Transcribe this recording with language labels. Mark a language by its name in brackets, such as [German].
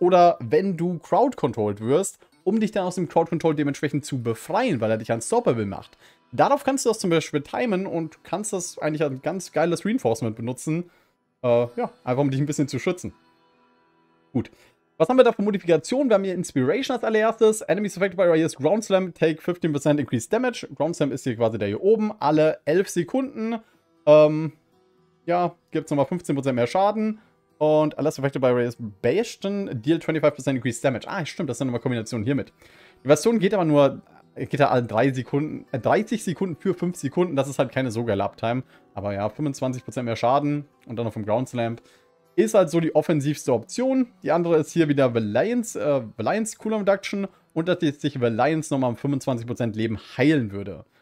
[German] Oder wenn du crowd-controlled wirst, um dich dann aus dem Crowd-Control dementsprechend zu befreien, weil er dich unstoppable macht. Darauf kannst du das zum Beispiel timen und kannst das eigentlich als ganz geiles Reinforcement benutzen. Einfach um dich ein bisschen zu schützen. Gut, Was haben wir da für Modifikationen? Wir haben hier Inspiration als allererstes. [English] Enemies affected by Rayus Ground Slam take 15% increased damage. [German] Ground Slam ist hier quasi der hier oben. Alle 11 Sekunden. Gibt es nochmal 15% mehr Schaden. [English] Und Unless affected by Rayus Bastion deal 25% increased damage. [German] Ah, stimmt, das ist nochmal Kombination hiermit. Die Version geht aber nur. Geht da alle 30 Sekunden für 5 Sekunden. Das ist halt keine so geile Uptime. Aber ja, 25% mehr Schaden und dann noch vom Ground Slam. Ist halt so die offensivste Option. Die andere ist hier wieder Valiance Cooldown Reduction und dass sich Valiance nochmal um 25% Leben heilen würde.